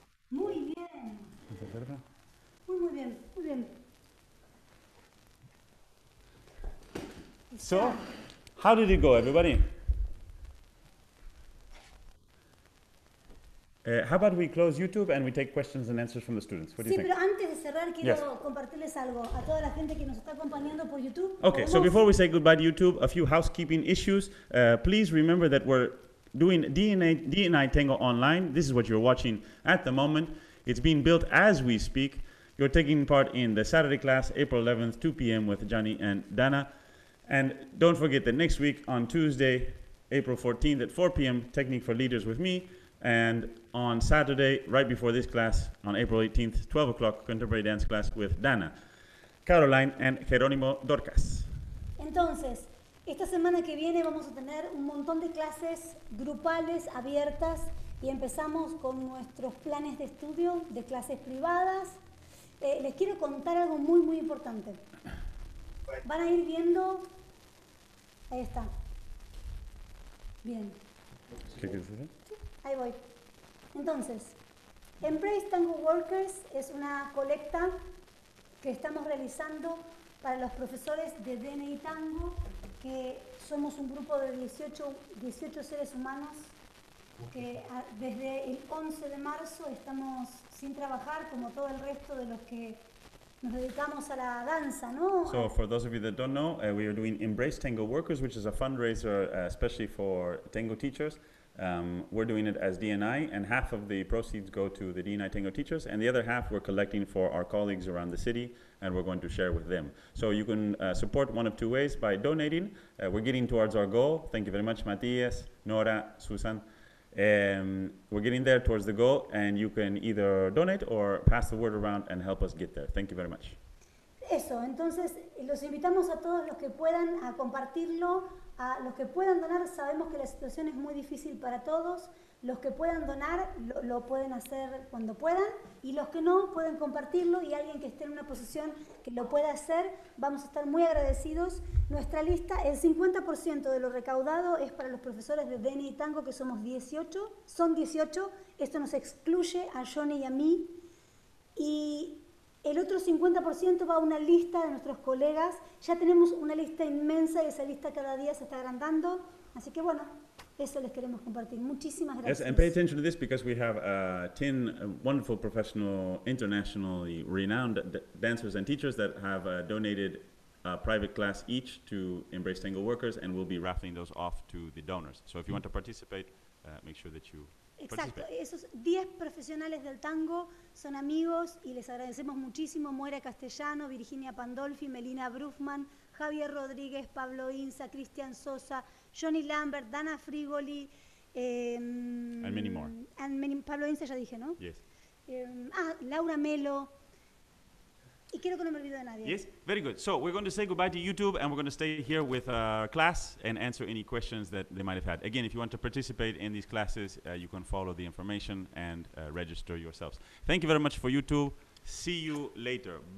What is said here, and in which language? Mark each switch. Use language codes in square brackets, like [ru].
[es] Muy bien. Muy, muy bien, muy bien. [en] So? How did it go, everybody? How about we close YouTube and we take questions and answers from the students? What do you think? [es] Sí, pero antes de cerrar quiero yes. compartirles algo a toda la gente que nos está acompañando por YouTube. [en] Okay, so before we say goodbye to YouTube, a few housekeeping issues. Please remember that we're doing D&I Tango online. This is what you're watching at the moment. It's being built as we speak. You're taking part in the Saturday class, April 11th, 2 p.m. with Johnny and Dana. And don't forget that next week on Tuesday, April 14th at 4 p.m., Technique for Leaders with me. And on Saturday, right before this class, on April 18th, 12 o'clock, Contemporary Dance class with Dana, Caroline and Jerónimo Dorcas. [es] Entonces, esta semana que viene vamos a tener un montón de clases grupales abiertas y empezamos con nuestros planes de estudio de clases privadas. Les quiero contar algo muy, muy importante. Van a ir viendo... Ahí está. Bien. ¿Qué quieres decir? Sí, ahí voy. Entonces, Embrace Tango Workers es una colecta que estamos realizando para los profesores de DNI Tango, que somos un grupo de 18 seres humanos que desde el 11 de marzo estamos sin trabajar como todo el resto de los que nos dedicamos a la danza, ¿no? [en] So for those of you that don't know, we are doing Embrace Tango Workers, which is a fundraiser especially for tango teachers. We're doing it as D&I, and half of the proceeds go to the D&I Tango teachers, and the other half we're collecting for our colleagues around the city, and we're going to share with them. So you can support one of two ways, by donating. We're getting towards our goal. Thank you very much, Matias, Nora, Susan. We're getting there towards the goal, and you can either donate or pass the word around and help us get there. Thank you very much. [es] Eso, entonces, los invitamos a todos los que puedan a compartirlo, a los que puedan donar, sabemos que la situación es muy difícil para todos, los que puedan donar lo pueden hacer cuando puedan, y los que no pueden compartirlo, y alguien que esté en una posición que lo pueda hacer, vamos a estar muy agradecidos. Nuestra lista, el 50% de lo recaudado es para los profesores de DNI Tango, que somos 18, son 18, esto nos excluye a Johnny y a mí, y el otro 50% va a una lista de nuestros colegas. Ya tenemos una lista inmensa y esa lista cada día se está agrandando. Así que bueno, eso les queremos compartir. Muchísimas gracias. [en] Yes, and pay attention to this because we have 10 wonderful professional, internationally renowned dancers and teachers that have donated a private class each to Embrace Tango Workers, and we'll be raffling those off to the donors. So if you want to participate, make sure that you... [es] Exacto, esos 10 profesionales del tango son amigos y les agradecemos muchísimo. Moira Castellano, Virginia Pandolfi, Melina Bruffman, Javier Rodríguez, Pablo Inza, Cristian Sosa, Johnny Lambert, Dana Frigoli. [en] And many more. And many, [es] Pablo Inza ya dije, ¿no? [en] Yes. Laura Melo. [es] Y quiero que no me olvide de nadie. [en] Yes, very good. So we're going to say goodbye to YouTube and we're going to stay here with our class and answer any questions that they might have had. Again, if you want to participate in these classes, you can follow the information and register yourselves. Thank you very much for YouTube. See you later. Bye.